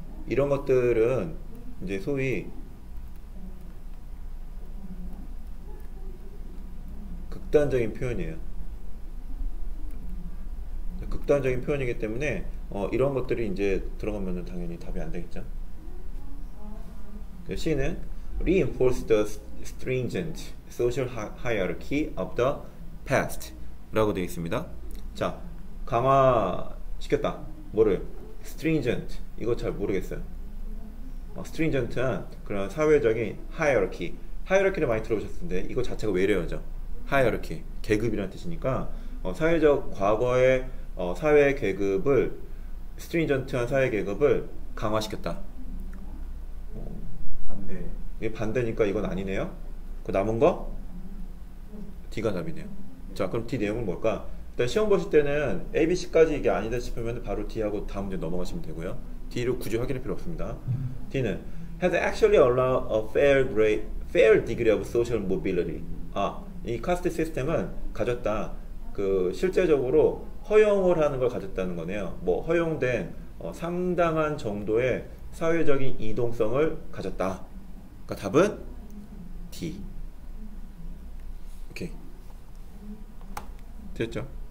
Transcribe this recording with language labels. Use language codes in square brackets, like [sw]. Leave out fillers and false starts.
[ko] 이런 것들은 이제 소위 극단적인 표현이에요. 극단적인 표현이기 때문에 이런 것들이 이제 들어가면 당연히 답이 안 되겠죠. 그 C는 [en] reinforce the stringent social hierarchy of the past [ko] 라고 되어 있습니다. 자, 강화시켰다. 뭐를? stringent 이거 잘 모르겠어요. Stringent은 그런 사회적인 hierarchy. Hierarchy를 많이 들어보셨을 텐데, 이거 자체가 외래어죠. Hierarchy. 계급이라는 뜻이니까, 사회적 과거의 사회 계급을, Stringent한 사회 계급을 강화시켰다. 이게 반대니까 이건 아니네요. 그 남은 거? D가 답이네요. 자, 그럼 D 내용은 뭘까? 일단 시험 보실 때는 ABC까지 이게 아니다 싶으면 바로 D하고 다음 문제 넘어가시면 되고요. D를 굳이 확인할 필요 없습니다. [en] D는 has actually allowed a fair degree of social mobility. [ko] 이 카스트 시스템은 가졌다. 그 실제적으로 허용을 하는 걸 가졌다는 거네요. 뭐 허용된 상당한 정도의 사회적인 이동성을 가졌다. 그러니까 답은 D. 오케이. 됐죠?